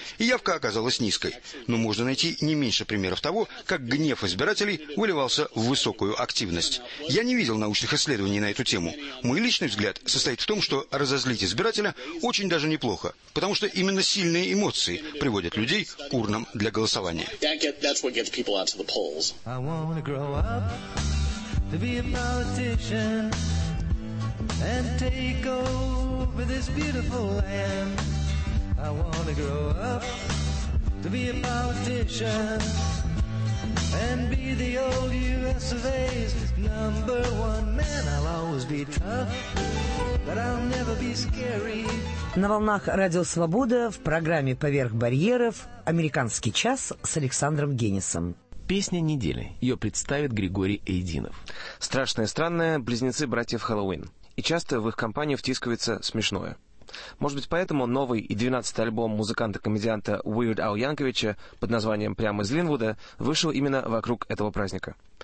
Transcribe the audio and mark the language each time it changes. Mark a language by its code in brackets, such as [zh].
[ru] И явка оказалась низкой. Но можно найти не меньше примеров того, как гнев избирателей выливался в высокую активность. Я не видел научных исследований на эту тему. Мой личный взгляд состоит в том, что разозлить избирателя очень даже неплохо, потому что именно сильные эмоции приводят людей к урнам для голосования. [en] Gets people out to the polls. I wanna grow up to be a politician and take over this beautiful land. I wanna grow up to be a politician and be the old US of A's number one man. I'll always be tough, but I'll never be scary. [ru] На волнах Радио Свобода в программе «Поверх барьеров» «Американский час» с Александром Генисом. Песня недели. Ее представит Григорий Эйдинов. Страшное и странное – близнецы братьев Хэллоуин. И часто в их компанию втискивается смешное. Может быть, поэтому новый и 12-й альбом музыканта-комедианта Weird Al Yankovic'а под названием «Прямо из Линвуда» вышел именно вокруг этого праздника.